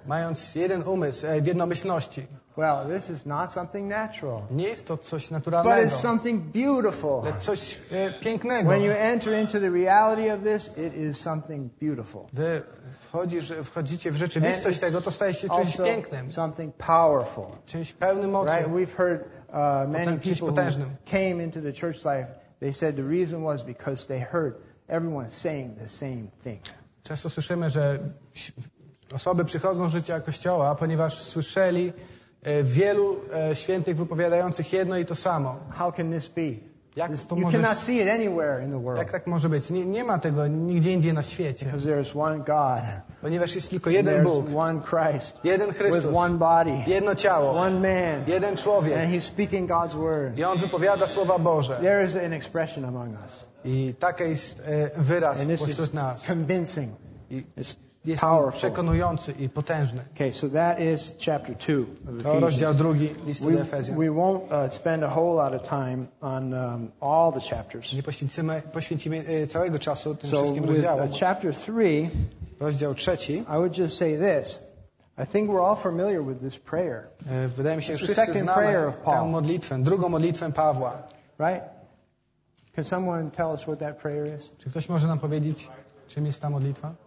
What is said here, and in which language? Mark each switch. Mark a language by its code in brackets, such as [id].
[pl] Mając jeden umysł, w jednomyślności. [en] Well, this is not something natural. [pl] Nie jest to coś naturalnego. [en] But it's something beautiful. [pl] Lecz coś pięknego. [en] When you enter into the reality of this, it is something beautiful. [pl] Gdy wchodzicie w rzeczywistość tego, to staje się czymś pięknym. [en] Something powerful. [pl] Czymś pełnym mocy. [en] Right? We've heard many people who came into the church life. They said the reason was because they heard everyone saying the same thing. [pl] Często słyszymy, że osoby przychodzą do życia kościoła, ponieważ słyszeli wielu świętych wypowiadających jedno i to samo. [en] How can this be? [pl] Jak to [en] you cannot see it anywhere in the world. [pl] Jak tak może być? Nie ma tego nigdzie indziej na świecie. [en] Because there is one God. [pl] Ponieważ jest tylko jeden Bóg. [en] There is one Christ. [pl] Jeden Chrystus. [en] With one body. [pl] Jedno ciało. [en] One man. [pl] Jeden człowiek. [en] And he's speaking God's word. [pl] I on wypowiada słowa Boże. [en] There is an expression among us. [pl] I taki jest wyraz pośród nas. [en] Convincing. [pl] I jest przekonujący i potężny. [en] Okay, so that is chapter 2 of Ephesians. [pl] To rozdział drugi listu do Efezjan. [en] We won't spend a whole lot of time on all the chapters. [pl] Nie poświęcimy całego czasu tym wszystkim rozdziałom. [en] So chapter 3, [pl] rozdział trzeci. [en] I would just say this. I think we're all familiar with this prayer. [pl] Wydaje mi się, wszyscy znamy tę modlitwę, drugą modlitwę Pawła. [en] Right? Can someone tell us what that prayer is? [pl] Czy ktoś może nam powiedzieć, czym jest ta modlitwa?